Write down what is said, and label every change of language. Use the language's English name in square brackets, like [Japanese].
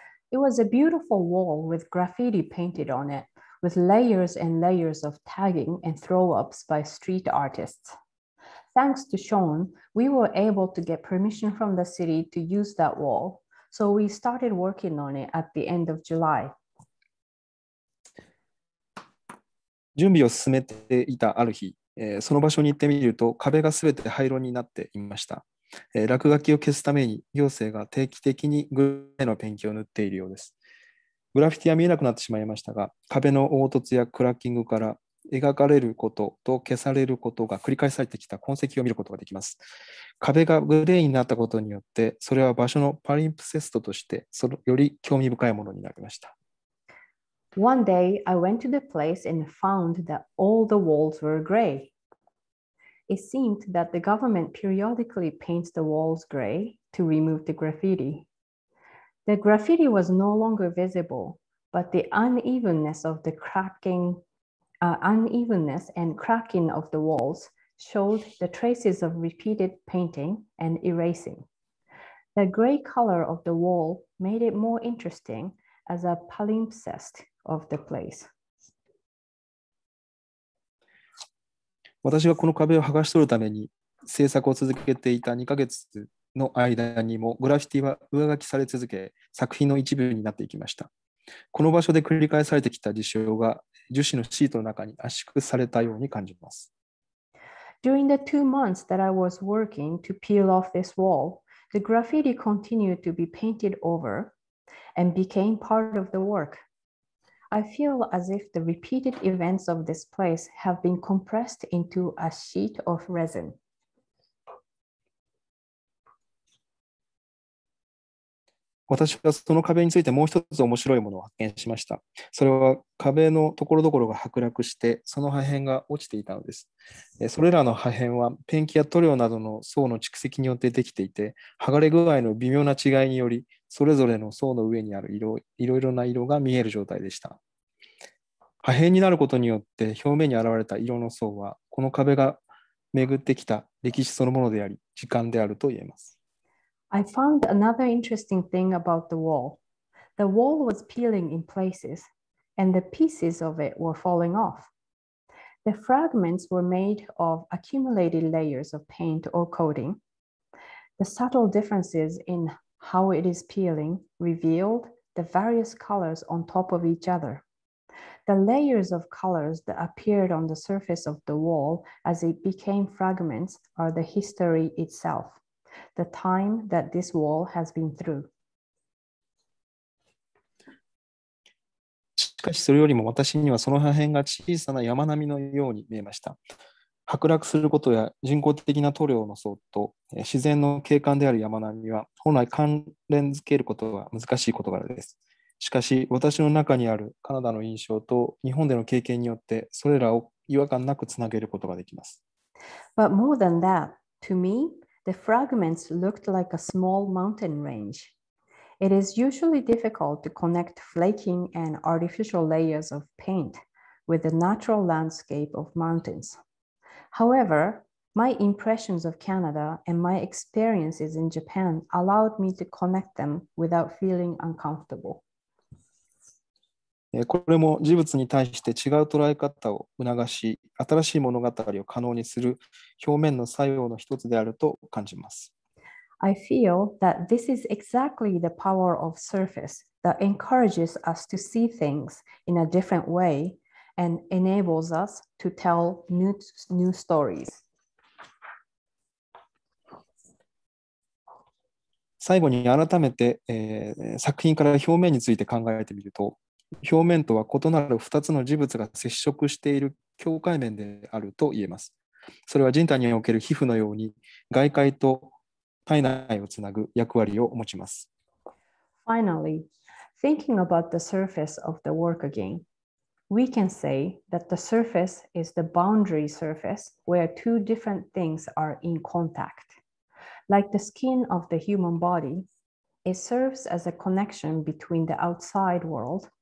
[English] It was a beautiful wall with graffiti painted on it, with layers and layers of tagging and throw-ups by street artists. Thanks to Sean, we were able to get permission from the city to use that wall, so we started working on it at the end of July. [Japanese] 準備を進めていたある日、その場所に行ってみると壁がすべて灰色になっていました。落書きを消すために行政が定期的にグレーのペンキを塗っているようです。グラフィティは見えなくなってしまいましたが、壁の凹凸やクラッキングから描かれることと消されることが繰り返されてきた痕跡を見ることができます。壁がグレーになったことによって、それは場所のパリンプセストとしてそのより興味深いものになりました。 [English] One day, I went to the place and found that all the walls were gray. It seemed that the government periodically paints the walls gray to remove the graffiti. The graffiti was no longer visible, but the unevenness and cracking of the walls showed the traces of repeated painting and erasing. The gray color of the wall made it more interesting as a palimpsest. Of the place. [Japanese] 私がこの壁を剥がし取るために制作を続けていた2ヶ月の間にもグラフィティは上書きされ続け作品の一部になっていきました。この場所で繰り返されてきた事象が樹脂のシートの中に圧縮されたように感じます。 [English] During the 2 months that I was working to peel off this wall, the graffiti continued to be painted over and became part of the work. I feel as if the repeated events of this place have been compressed into a sheet of resin. [Japanese] 私はその壁についてもう一つ面白いものを発見しました。それは壁のところどころが剥落して、その破片が落ちていたのです。それらの破片はペンキや塗料などの層の蓄積によってできていて、剥がれ具合の微妙な違いにより、それぞれの層の上にある色、いろいろな色が見える状態でした。破片になることによって表面に現れた色の層は、この壁が巡ってきた歴史そのものであり、時間であると言えます。 [English] I found another interesting thing about the wall. The wall was peeling in places, and the pieces of it were falling off. The fragments were made of accumulated layers of paint or coating. The subtle differences in how it is peeling revealed the various colors on top of each other. The layers of colors that appeared on the surface of the wall as it became fragments are the history itself. The time that this wall has been through. [Japanese] しかしそれよりも私にはその破片が小さな山並みのように見えました。剥落することや人工的な塗料の層と自然の景観である山並みは本来関連づけることは難しい事柄です。しかし私の中にあるカナダの印象と日本での経験によってそれらを違和感なくつなげることができます。 [English] But more than that, to me,The fragments looked like a small mountain range. It is usually difficult to connect flaking and artificial layers of paint with the natural landscape of mountains. However, my impressions of Canada and my experiences in Japan allowed me to connect them without feeling uncomfortable. [Japanese] これも事物に対して違う捉え方を促し、新しい物語を可能にする表面の作用の一つであると感じます。 [English] I feel that this is exactly the power of surface that encourages us to see things in a different way and enables us to tell new stories. [Japanese] 最後に改めて、作品から表面について考えてみると、表面とは異なる2つの事物が接触している境界面であると言えます。それは人体における皮膚のように外界と体内をつなぐ役割を持ちます。 [English] Finally, thinking about the surface of the work again, we can say that the surface is the boundary surface where two different things are in contact. Like the skin of the human body, it serves as a connection between the outside world.